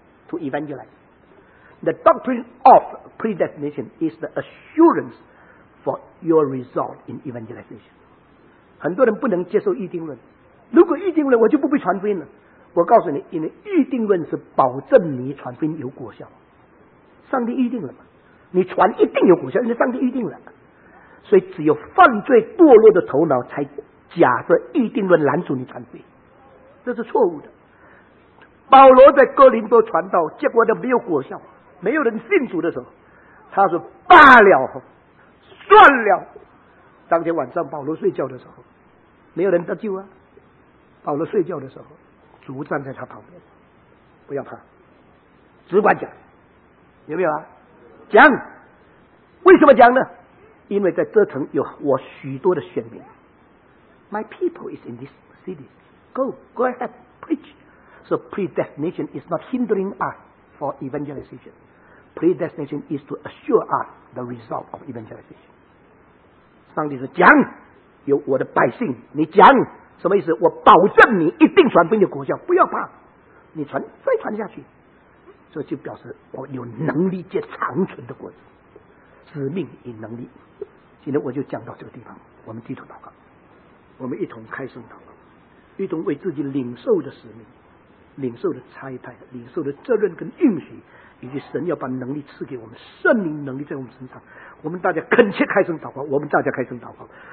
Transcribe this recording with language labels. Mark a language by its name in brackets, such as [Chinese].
[English] The doctrine of predestination is the assurance for your result in evangelization. [Chinese] 很多人不能接受预定论，如果预定论我就不必传福音了。我告诉你，因为预定论是保证你传福音有果效，上帝预定了嘛，你传一定有果效，因为上帝预定了。所以只有犯罪堕落的头脑才假设预定论拦阻你传福音，这是错误的。保罗在哥林多传道，结果他没有果效，没有人信主的时候，他说罢了，算了。当天晚上保罗睡觉的时候，没有人得救啊。保罗睡觉的时候，主站在他旁边，不要怕，只管讲，有没有啊？讲，为什么讲呢？因为在这城有我许多的选民。 [English] My people is in this city. Go ahead, preach. So predestination is not hindering us for evangelization. Predestination is to assure us the result of evangelization. [Chinese] 上帝说讲，有我的百姓，你讲什么意思？我保证你一定传遍你的国家，不要怕，你传再传下去，这就表示我有能力接长存的国家，使命与能力。今天我就讲到这个地方，我们低头祷告，我们一同开声祷告，一同为自己领受的使命、领受的差派、领受的责任跟应许，以及神要把能力赐给我们，圣灵能力在我们身上，我们大家恳切开声祷告，我们大家开声祷告。